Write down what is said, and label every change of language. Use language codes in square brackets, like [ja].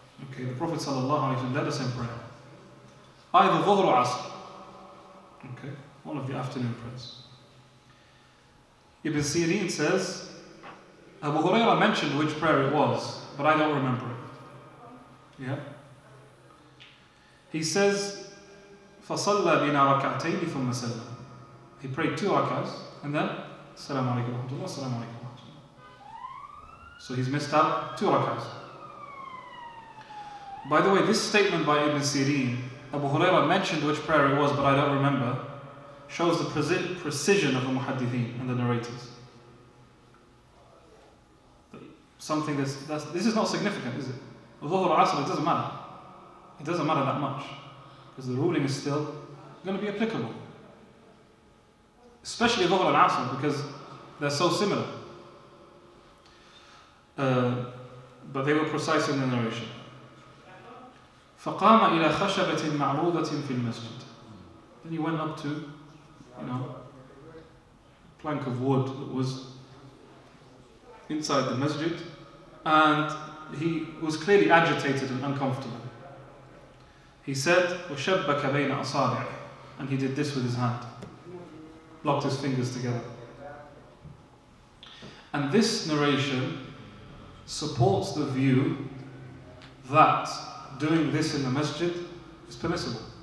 [en] Okay, the Prophet صلى الله عليه وسلم led us in prayer. Either ظهر or عصر. Okay, one of the afternoon prayers. Ibn Sirin says, Abu Huraira mentioned which prayer it was, but I don't remember it. Yeah? He says, [ar] فصلى بنا ركعتين ثم سلم. [en] He prayed two rakahs, and then, [ar] السلام عليكم ورحمة الله, السلام عليكم. [en] So he's missed out two rak'ahs. By the way, this statement by Ibn Sirin, Abu Huraira mentioned which prayer it was, but I don't remember, shows the precision of the muhaddithin and the narrators. Something this is not significant, is it? Dhuhr al-Asr, it doesn't matter. It doesn't matter that much, because the ruling is still going to be applicable. Especially Dhuhr al-Asr, because they're so similar. But they were precise in the narration. [ar] فَقَامَ إِلَى خَشَبَةٍ مَعْرُوضَةٍ فِي الْمَسْجِدِ. [en] Then he went up to, a plank of wood that was inside the masjid, and he was clearly agitated and uncomfortable. He said, [ar] وَشَبَّكَ بَيْنَ أَصَابِعِ. [en] And he did this with his hand, locked his fingers together. And this narration supports the view that doing this in the masjid is permissible.